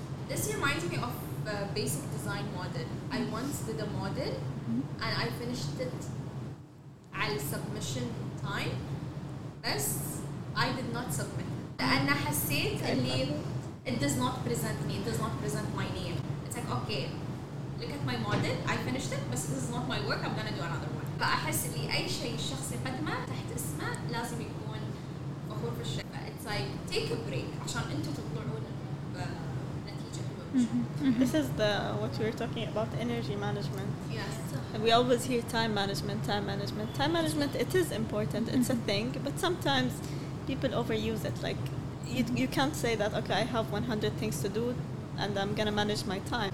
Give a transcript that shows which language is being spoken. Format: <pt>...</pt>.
<en>This reminds me of a basic design model. I once did a model and I finished it على submission time. بس I did not submit. لأن حسيت اللي it does not present me, it does not present my name. It's like, okay, look at my model, I finished it, but this is not my work, I'm gonna do another one.</en> <ar>فأحس اللي أي شيء الشخص يقدمه تحت اسمه لازم يكون فخور في الشركة.</ar> <en>It's like, take a break عشان أنتوا تطلعون بنتيجة حلوة. This is the what we were talking about, energy management. Yes. We always hear time management, time management, time management. It is important. It's a thing, but sometimes people overuse it. Like you can't say that, okay, I have 100 things to do, and I'm gonna manage my time.</en>